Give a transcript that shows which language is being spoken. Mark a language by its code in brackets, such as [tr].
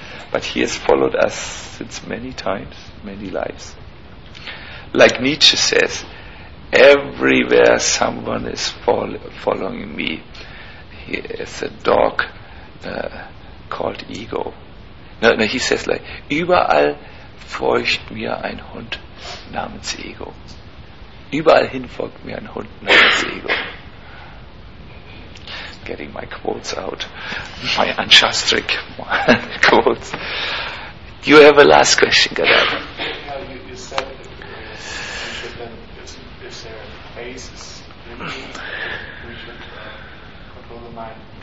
[en] But he has followed us since many times, many lives. Like Nietzsche says, everywhere someone is following me, he is a dog called ego. No, he says like, [de] überall folgt mir ein Hund namens Ego. Überall hin folgt mir ein Hund namens Ego. [en] Getting my quotes out, my anshastric quotes. Do you have a last question, Gadab? You said that if there's a phase is limited, we should control the mind.